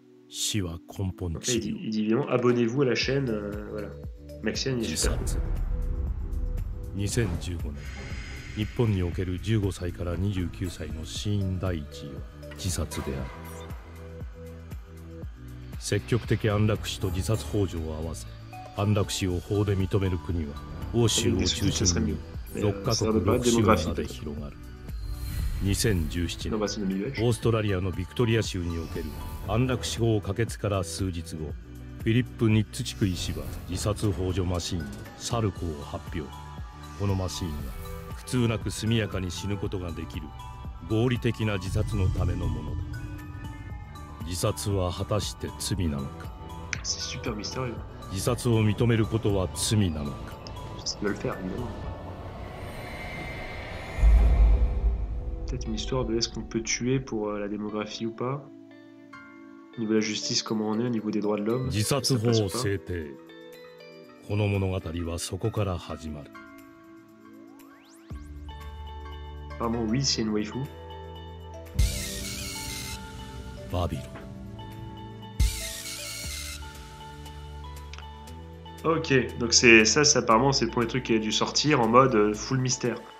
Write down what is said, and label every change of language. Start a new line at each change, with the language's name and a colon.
French: Il dit évidemment abonnez-vous à la chaîne, voilà. Maxine, il est super.
Japanese: 2015 年、日本における15歳から29歳の死因第一位は自殺である。積極的安楽死と自殺幇助を合わせ、安楽死を法で認める国は欧州を中心に6カ国6州まで広がる。 2017年、オーストラリアのビクトリア州における安楽死法可決から数日後、フィリップ・ニッツ地区医師は自殺幇助マシーン、サルコを発表。このマシーンは、苦痛なく速やかに死ぬことができる、合理的な自殺のためのものだ。自殺は果たして罪なのか？自殺を認めることは罪なのか？
French: Peut-être une histoire de est-ce qu'on peut tuer pour la démographie ou pas. Au niveau de la justice, comment on est au niveau des droits de l'homme.
Japanese: 自殺法制定。この物語はそこから始まる。
French: Apparemment, oui, c'est une waifu. Babylon. Ok, donc c'est apparemment c'est le premier truc qui a dû sortir en mode full mystère.